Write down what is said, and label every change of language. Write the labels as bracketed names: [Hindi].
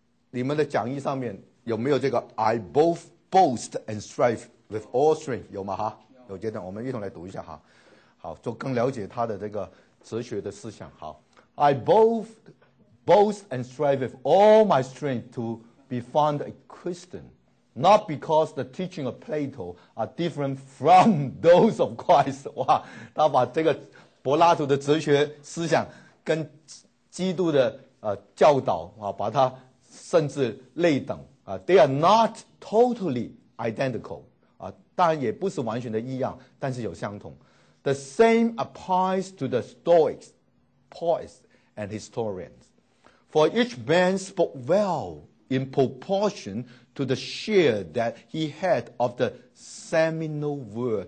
[Chinese] 你们的讲义上面有没有这个 [English] I both boast and strive? With all strength, [Chinese] 有吗？哈，有阶段，我们一同来读一下哈。好，就更了解他的这个哲学的思想。 [English] 好 ，I boast and strive with all my strength to be found a Christian, not because the teaching of Plato are different from those of Christ. [Chinese] 哇，他把这个柏拉图的哲学思想跟基督的教导啊，把它甚至类等啊 ， [English] they are not totally identical. [Chinese] 当然也不是完全的一样，但是有相同。 [English] The same applies to the Stoics, poets, and historians. For each man spoke well in proportion to the share that he had of the seminal word.